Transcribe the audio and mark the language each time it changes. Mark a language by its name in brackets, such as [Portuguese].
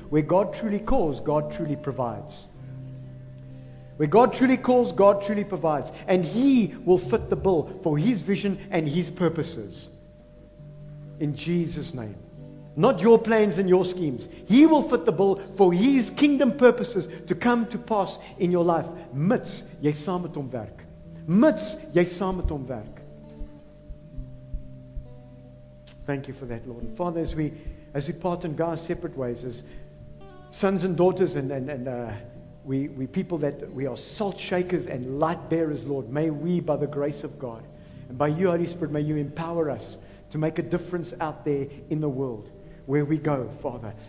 [English] Where God truly calls, God truly provides. Where God truly calls, God truly provides. And He will fit the bill for His vision and His purposes. In Jesus' name. Not your plans and your schemes. He will fit the bill for His kingdom purposes to come to pass in your life. [Afrikaans] Mits jy saam met hom werk. Mits jy saam met hom werk. [English] Thank you for that, Lord. And Father, as we part and go our separate ways, as sons and daughters and we people that we are salt shakers and light bearers, Lord, may we, by the grace of God, and by you, Holy Spirit, may you empower us to make a difference out there in the world where we go, Father.